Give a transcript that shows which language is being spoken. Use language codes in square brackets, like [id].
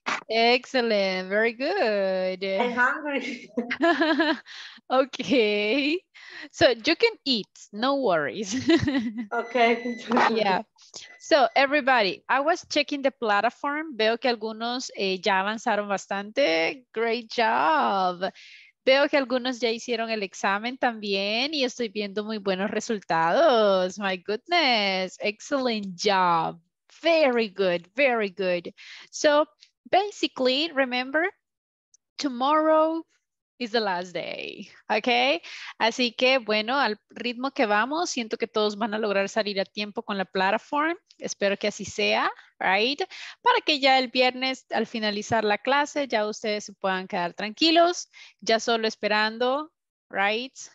[en] Excellent, very good. I'm hungry. Okay, so you can eat, no worries. Okay. Yeah, so everybody, I was checking the platform. [es] Veo que algunos ya avanzaron bastante. [en] Great job. [es] Veo que algunos ya hicieron el examen también y estoy viendo muy buenos resultados. [en] My goodness, excellent job. Very good, very good. So basically, remember, tomorrow is the last day, okay? [es] Así que, bueno, al ritmo que vamos, siento que todos van a lograr salir a tiempo con la plataforma. Espero que así sea, right? Para que ya el viernes, al finalizar la clase, ya ustedes se puedan quedar tranquilos, ya solo esperando, right?